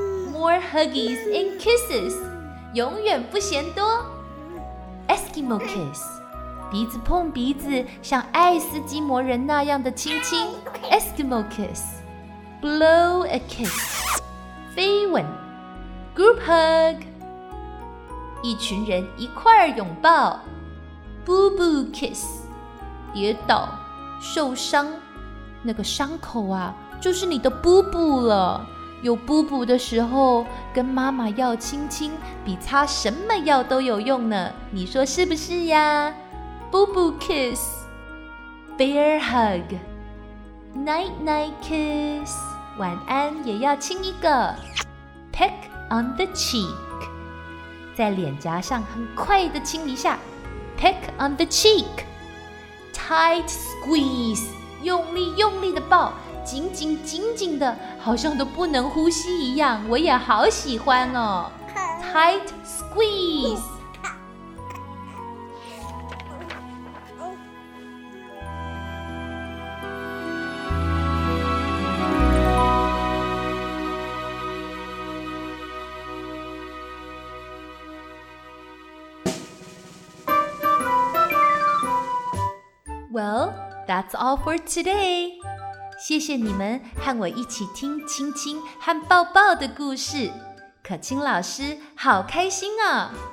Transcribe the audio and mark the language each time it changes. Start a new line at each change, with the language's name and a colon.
English: More huggies and kisses，
Chinese: 永远不嫌多。
English: Eskimo kiss，
Chinese: 鼻子碰鼻子，像爱斯基摩人那样的亲亲。
English: Eskimo kiss， blow a kiss，
Chinese: 飞吻。
English: Group hug，
Chinese: 一群人一块儿拥抱。
English: Boo boo kiss，
Chinese: 跌倒，受伤，那个伤口啊，就是你的 boo boo 了。有布布的时候，跟妈妈要亲亲，比擦什么药都有用呢。你说是不是呀？
English: 布布 kiss， bear hug， night night kiss，
Chinese: 晚安也要亲一个。
English: Peck on the cheek，
Chinese: 在脸颊上很快的亲一下。
English: Peck on the cheek， tight squeeze，
Chinese: 用力用力的抱。紧紧紧紧的，好像都不能呼吸一样，我也好喜欢哦。
English: Tight squeeze。 Well, that's all for today.
Chinese: 谢谢你们和我一起听亲亲和抱抱的故事，可卿老师好开心啊。